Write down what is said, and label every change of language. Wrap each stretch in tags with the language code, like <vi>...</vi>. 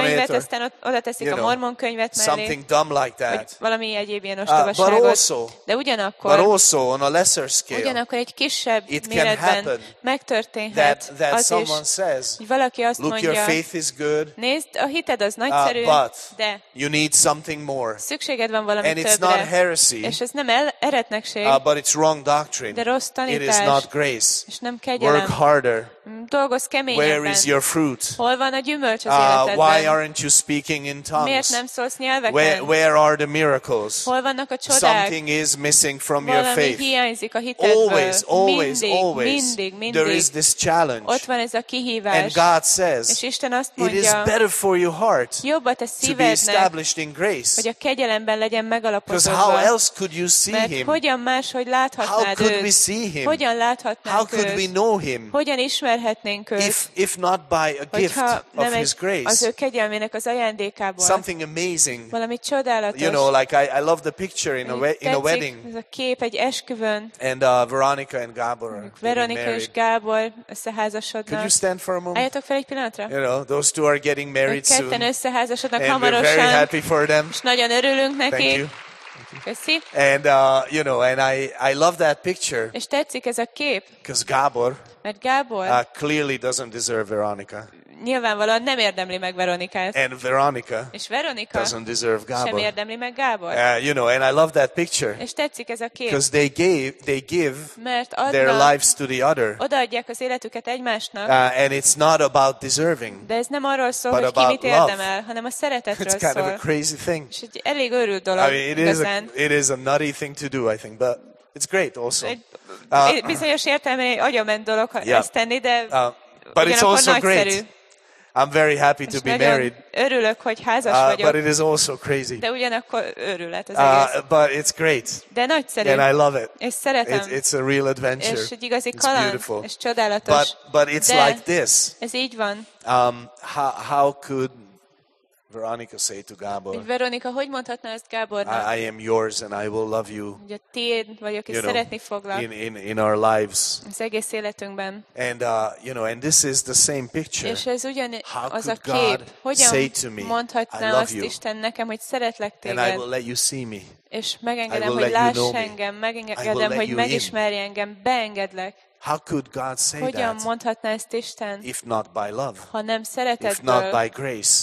<hu>Fognak még egy könyvet, aztán oda teszik a Mormon könyvet mellé.</hu> <en>Something dumb like that.</en> <hu>Valami egyéb ilyen ostobaságot.</hu> <en>But also</en> <hu>de ugyanakkor.</hu> <en>But also on a lesser scale.</en> <hu>Ugyanakkor egy kisebb méretben megtörténhet az is, hogy valaki azt mondja, nézd, a hited az nagyszerű, de</hu> <en>you need something more.</en> <hu>Szükséged van valami</hu> <en>and</en> <hu>többre.</hu> <en>It's not heresy,</en> <hu>és ez nem eretnekség,</hu> <en>but it's wrong doctrine.</en> <hu>De rossz tanítás.</hu> <en>It is not grace.</en> <hu>És nem kegyelem.</hu> <en>Work harder.</en> <hu>Dolgozz keményebben.</hu> <en>Where is your fruit?</en> <hu>Hol van a gyümölcs az életedben?</hu> <en>Why aren't you speaking in tongues?</en> <hu>Miért nem szólsz nyelveken?</hu> <en>Where are the miracles?</en> <hu>Hol vannak a csodák?</hu> <en>Something is missing from</en> <hu>valami</hu> <en>your faith.</en> <hu>Hiányzik a hitedből.</hu> <en>Always, always,</en> <hu>mindig,</hu> <en>always.</en> <hu>Mindig, mindig.</hu> <en>There is this challenge.</en> <hu>Ott van ez a kihívás.</hu> <en>And God says,</en> <hu>és Isten azt mondja,</hu> <en>it is better for your heart</en> <hu>jobb a te szívednek,</hu> <en>to be established in grace.</en> <hu>Hogy a kegyelemben legyen megalapozva.</hu> <en>Because how else could you see</en> <hu>mert</hu> <en>him?</en> <hu>Hogyan máshogy láthatnád</hu> <en>how</en> <hu>őt?</hu> <en>Could we see him?</en> <hu>Hogyan láthatnánk</hu> <en>how</en> <hu>őt?</hu> <en>Could we know him?</en> <hu>Hogyan ismerhetnénk</hu> <en>if not by a gift of his grace.</en> <hu>Az ő kegyelmének az ajándékából.</hu> <en>Something amazing.</en> <hu>Valami csodálatos.</hu> <en>You know, like I love the picture in a wedding.</en> <hu>Ez a kép egy esküvőn.</hu> <en>And Veronica and Gábor.</en> <hu>Veronika és Gábor összeházasodnak.</hu> <en>Could you stand for a moment?</en> <hu>Álljatok fel egy pillanatra.</hu> <en>You know, those two are getting married soon.</en> <hu>Ketten összeházasodnak hamarosan.</hu> <en>And we're very happy for them.</en> <hu>És nagyon örülünk neki.</hu> <en>Thank you.</en> <hu>Köszi.</hu> <en>And you know, and I love that picture.</en> <hu>És tetszik ez a kép.</hu> <en>Because Gábor.</en> <hu>Mert Gábor</hu> <en>clearly doesn't deserve Veronica.</en> <hu>Nyilvánvalóan nem érdemli meg Veronikát.</hu> <en>And Veronica.</en> <hu>És Veronika.</hu> <en>Doesn't deserve Gábor.</en> <hu>Sem érdemli meg Gábor.</hu> <en>You know, and I love that picture.</en> <hu>És tetszik ez a kép.</hu> <en>Because they give</en> <hu>mert adnak,</hu> <en>their lives to the other.</en> <hu>Odaadják az életüket egymásnak.</hu> <en>And it's not about deserving.</en> <hu>De ez nem arról szól, hogy ki mit érdemel, hanem a szeretetről szól.</hu> <en>It's kind</en> <hu>szól.</hu> <en>Of a crazy thing.</en> <hu>És egy elég őrült dolog.</hu> <en>I mean, it is a nutty thing to do, I think, but it's great also.</en> <hu>Bizonyos értelemben egy agyament dolog ezt tenni, de</hu> <en>but it's also great. I'm very happy to</en> <hu>és</hu> <en>be married.</en> <hu>Örülök, hogy házas vagyok.</hu> <en>But it is also crazy.</en> <hu>De ugyanakkor őrület az egész.</hu> <en>But it's great.</en> <hu>De nagyszerű.</hu> <en>And I love it.</en> <hu>És szeretem.</hu> <en>It's a real adventure.</en> <hu>És egy igazi kaland.</hu> <en>It's beautiful.</en> <hu>És csodálatos.</hu> <en>But it's</en> <hu>de</hu> <en>like this.</en> <hu>Ez így van.</hu> <en>How could Veronica say to Gábor?</en> <hu>Veronika, hogy mondhatná ezt Gábornak?</hu> <en>I am yours and I will love you.</en> <hu>Ugye tiéd vagyok, és szeretni foglak.</hu> <en>In our lives.</en> <hu>Az egész életünkben.</hu> <en>And you know, and this is the same picture.</en> <hu>És ez ugyan</hu> <en>how</en> <hu>az a kép.</hu> <en>God</en> <hu>hogyan</hu> <en>say to me,</en> <hu>mondhatná</hu> <en>I love</en> <hu>azt</hu> <en>you.</en> <hu>Isten nekem, hogy szeretlek téged.</hu> <en>And I will let you see me.</en> <hu>És megengedem, hogy láss</hu> <en>you know</en> <hu>engem, megengedem, hogy megismerj engem, beengedlek.</hu> <en>How could God say</en> <hu>hogyan</hu> <en>that?</en> <hu>Mondhatná ezt Isten?</hu> <en>If not by love.</en> <hu>Ha nem szeretetből.</hu> <en>If not by grace.</en>